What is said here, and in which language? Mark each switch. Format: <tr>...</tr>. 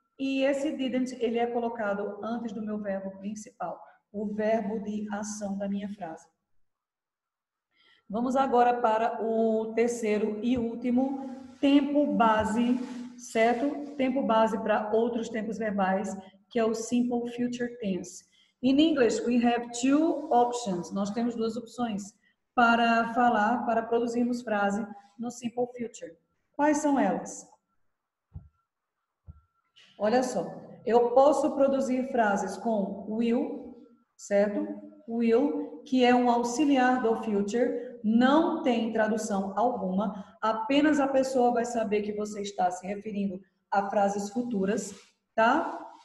<pt>E esse didn't, ele é colocado antes do meu verbo principal, o verbo de ação da minha frase. Vamos agora para o terceiro e último tempo base, certo? Tempo base para outros tempos verbais, que é o simple future tense.</pt> <en>In English, we have two options.</en> <pt>Nós temos duas opções para falar, para produzirmos frase no simple future. Quais são elas? Olha só, eu posso produzir frases com will, certo? Will, que é um auxiliar do future, não tem tradução alguma, apenas a pessoa vai saber que você está se referindo a frases futuras, tá?</pt>